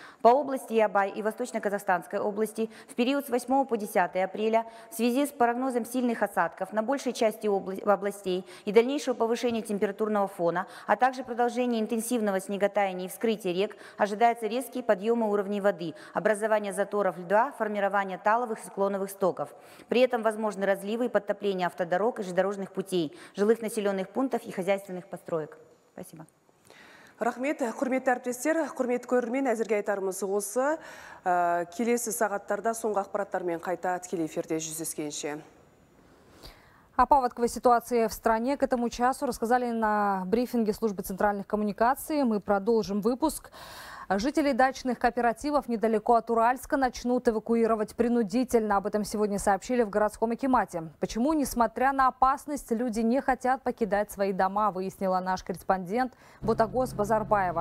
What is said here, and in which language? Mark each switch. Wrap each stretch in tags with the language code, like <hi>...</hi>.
<ru>По области Ябай и Восточно-Казахстанской области в период с 8 по 10 апреля в связи с прогнозом сильных осадков на большей части областей и дальнейшего повышения температурного фона, а также продолжение интенсивного снеготаяния и вскрытия рек, ожидаются резкие подъемы уровней воды, образование заторов льда, формирование таловых и склоновых стоков. При этом возможны разливы и подтопления автодорог и железнодорожных путей, жилых населенных пунктов и хозяйственных построек. Спасибо.</ru> <kk>Рахмет, құрметті әріптестер, құрметті көрермен, әзірге айтарымыз осы. Келесі сағаттарда соңғы ақпараттармен қайта тікелей эфирде жүздескенше.</kk> <ru>О паводковой ситуации в стране к этому часу рассказали на брифинге службы центральных коммуникаций. Мы продолжим выпуск. Жителей дачных кооперативов недалеко от Уральска начнут эвакуировать принудительно. Об этом сегодня сообщили в городском акимате. Почему, несмотря на опасность, люди не хотят покидать свои дома, выяснила наш корреспондент Ботагоз Базарбаева.</ru>